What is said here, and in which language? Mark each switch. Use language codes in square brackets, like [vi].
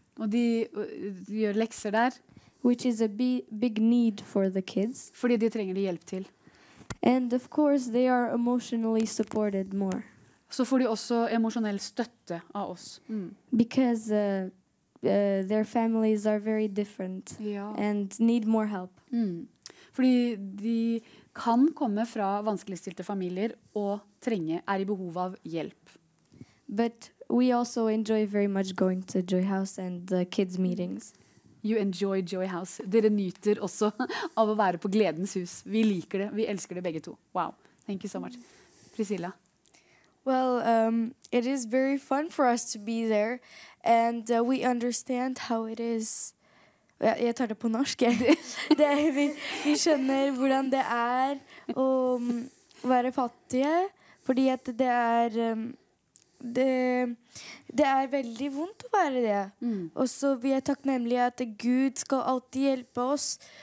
[no] Og de gjør lekser der. [en] Which is a big need for the kids. [no] Fordi de trenger de hjelp til. [en] And of course they are emotionally supported more. [no] Så får de også emosjonell støtte av oss. Mm. [en] Because their families are very different. [no] Ja. [en] And need more help. [no] Mm. Fordi de kan komme fra vanskeligstilte familier og er i behov av hjelp. [en] But we also enjoy very much going to Joy House and the kids' meetings. You enjoy Joy House. [no] Dere nyter også av å være på Gledens hus. Vi liker det. Vi elsker det begge to. Wow. [en] Thank you so much. [no] Priscilla. [en] Well, it is very fun for us to be there. And we understand how it is. [no] Jeg tar det på norsk. Vi skjønner hvordan det er å være fattige. Fordi at det er... Det er veldig vondt å være det. Mm. Og så vi er takknemlige at Gud skal alltid hjelpe oss.